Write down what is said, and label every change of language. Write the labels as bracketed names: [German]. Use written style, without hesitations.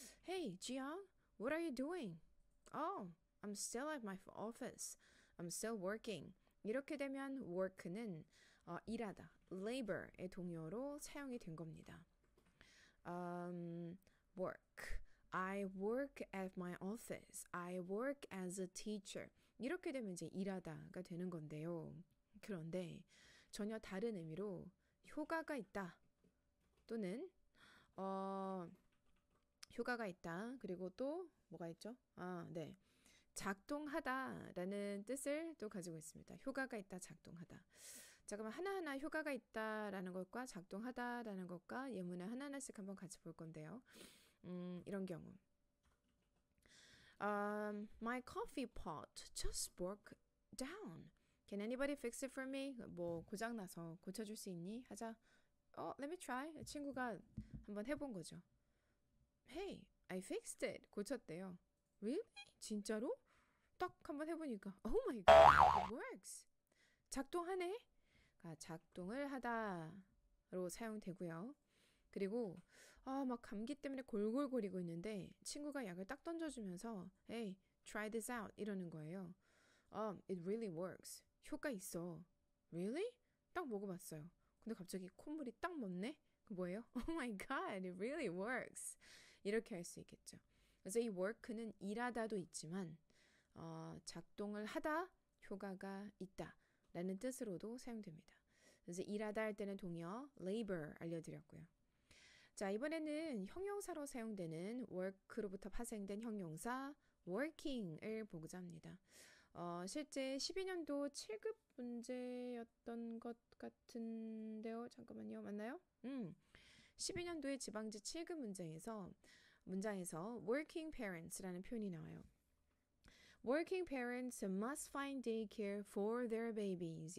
[English] Hey, Jiang, what are you doing? Oh, I'm still at my office. I'm still working. [Korean] 이렇게 되면 work는 일하다. labor의 동요로 사용이 된 겁니다. [English] Work. I work at my office. I work as a teacher. [Korean] 이렇게 되면 이제 일하다가 되는 건데요. 그런데 전혀 다른 의미로 효과가 있다. 또는, 효과가 있다. 그리고 또 뭐가 있죠? 네. 작동하다라는 뜻을 또 가지고 있습니다. 효과가 있다, 작동하다. 잠깐만, 하나하나 효과가 있다라는 것과 작동하다라는 것과 예문을 하나하나씩 한번 같이 볼 건데요. 이런 경우. [English] My coffee pot just broke down. Can anybody fix it for me? [Korean] 뭐 고장 나서 고쳐줄 수 있니? 하자. [English] Let me try. [Korean] 친구가 한번 해본 거죠. [English] Hey, I fixed it. [Korean] 고쳤대요. [English] Really? [Korean] 진짜로? 딱 한번 해보니까 [English] Oh my God, it works. [Korean] 작동하네. 작동을 하다로 사용되고요. 그리고 막 감기 때문에 골골거리고 있는데 친구가 약을 딱 던져주면서 [English] Hey, try this out [Korean] 이러는 거예요. [English] It really works. [Korean] 효과 있어. [English] Really? [Korean] 딱 먹어봤어요. 근데 갑자기 콧물이 딱 멎네? 그 뭐예요? [English] Oh my God, it really works. [Korean] 이렇게 할수 있겠죠. 그래서 이 work는 일하다도 있지만 작동을 하다 효과가 있다라는 뜻으로도 사용됩니다. 그래서 일하다 할 때는 동요 labor 알려드렸고요. 자, 이번에는 형용사로 사용되는 work로부터 파생된 형용사 working을 보고자 합니다. 실제 12년도 7급 문제였던 것 같은데요. 잠깐만요. 맞나요? 12년도에 지방자치 7급 문장에서 working parents라는 표현이 나와요. [English] Working parents must find daycare for their babies.